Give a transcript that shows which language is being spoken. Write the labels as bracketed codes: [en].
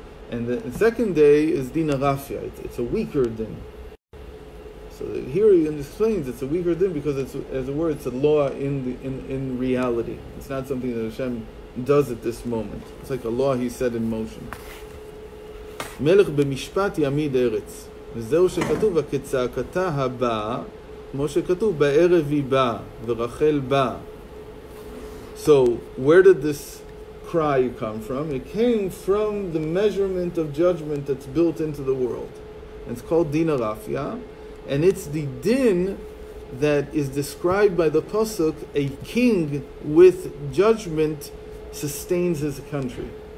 [en] And the second day is Dina Rafya. It's a weaker din. So here he explains it's a weaker din because it's, as it were, it's a law in reality. It's not something that Hashem does at this moment. It's like a law he set in motion. [he] Melech b'mishpat yamid eretz. וזהו שכתוב, וכצעקתה הבאה, כמו שכתוב, בערב היא באה, ורחל באה. [en] So, where did this cry come from? It came from the measurement of judgment that's built into the world. And it's called Dina Rafya, and it's the din that is described by the Pasuk, a king with judgment sustains his country.